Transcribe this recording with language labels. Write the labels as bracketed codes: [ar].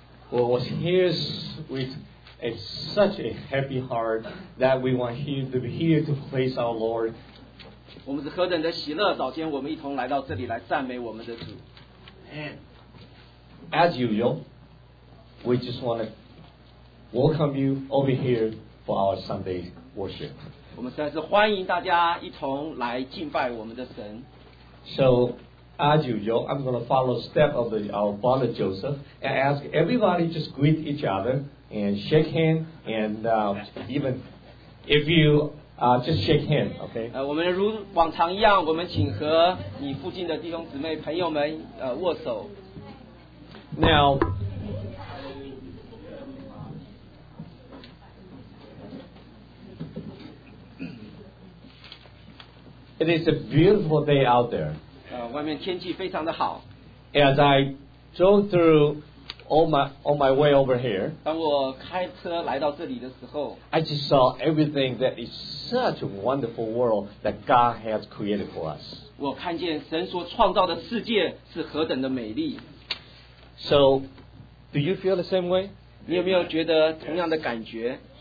[en] 我 was here with a, such a happy heart that we want him to be here to praise our Lord. [zh] 我们是何等的喜乐，早间我们一同来到这里来赞美我们的主。 [en] As usual, we just want to welcome you over here for our Sunday worship. [zh] 我们实在是欢迎大家一同来敬拜我们的神。 [en] So. As usual, I'm going to follow the step of our brother Joseph and ask everybody just greet each other and shake hands and even if you just shake hands, okay? [zh] 我们如往常一样，我们请和你附近的弟兄姊妹朋友们握手。 [en] Now, it is a beautiful day out there. [zh] 外面天气非常的好。 [en] As I drove through on my way over here, [zh] 当我开车来到这里的时候 [en] I just saw everything that is such a wonderful world that God has created for us. [zh] 我看见神所创造的世界是何等的美丽。 [en] So, do you feel the same way? [zh] 你有没有觉得同样的感觉？